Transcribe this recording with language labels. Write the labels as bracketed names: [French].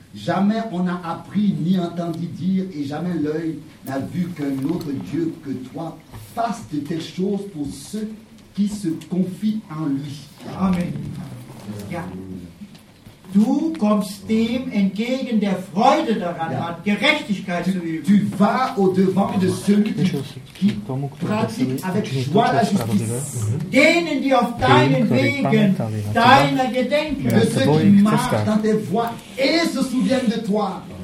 [French] Jamais on a appris ni entendu dire et jamais l'œil n'a vu qu'un autre Dieu que toi fasse de telles choses pour ceux qui se confient en lui. [German] Amen. Ja. Du kommst dem entgegen, der Freude daran ja. hat, Gerechtigkeit zu üben. [French] Tu vas au-devant de celui qui pratique avec joie la justice. [German] Denen, die auf deinen Wegen deiner Gedenken, [French] de ceux qui marchent dans tes voies et se souviennent de toi.